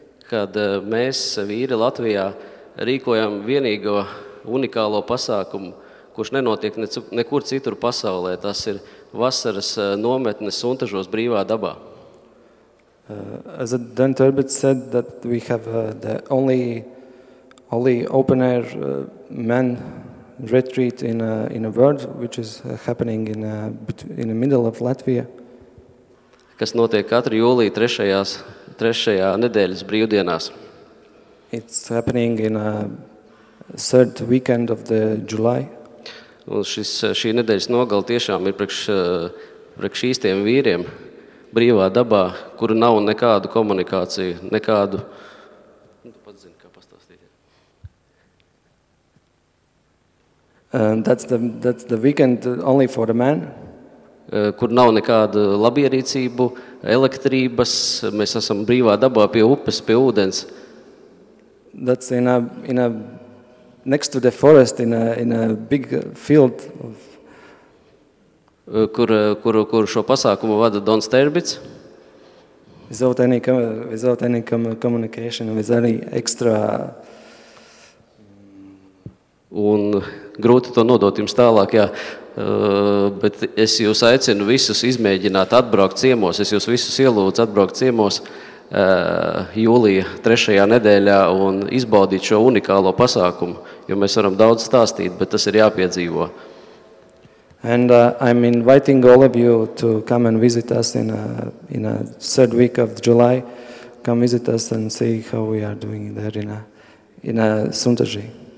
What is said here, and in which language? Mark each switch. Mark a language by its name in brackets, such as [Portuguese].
[Latvian] Kad mēs, vīri Latvijā, rīkojam vienīgo unikālo pasākumu, kurš nenotiek nekur citur pasaulē. Tas ir vasaras nometnes Suntažos brīvā dabā. [English] As Don Sterbits said that we have the only open air men retreat in a world which is happening in the middle of Latvia. [Latvian] Kas notiek katru jūliju trešajā nedēļas brīvdienās. [English] It's happening in a third weekend of the July. [Latvian] Un šī nedēļas nogala tiešām ir priekš īstiem vīriem. Brīvā dabā, kur nav nekādu komunikāciju, nekādu... Tu pats zini, kā pastāstīt. [English] That's the weekend only for the men. [Latvian] Kur nav nekādu labierīcību, elektrības, mēs esam brīvā dabā pie upes, pie ūdens. [English] That's in a next to the forest, in a big field of... [Latvian] Kur šo pasākumu vada Don Sterbits. [English] Without any communication, with any extra... [Latvian] Un grūti to nodot jums tālāk, jā. Bet es jūs aicinu visus izmēģināt atbraukt ciemos. Es jūs visus ielūdzu atbraukt ciemos jūlija trešajā nedēļā un izbaudīt šo unikālo pasākumu, jo mēs varam daudz stāstīt, bet tas ir jāpiedzīvo. [English] And I'm inviting all of you to come and visit us in a third week of July. Come visit us and see how we are doing there in a Suntaži.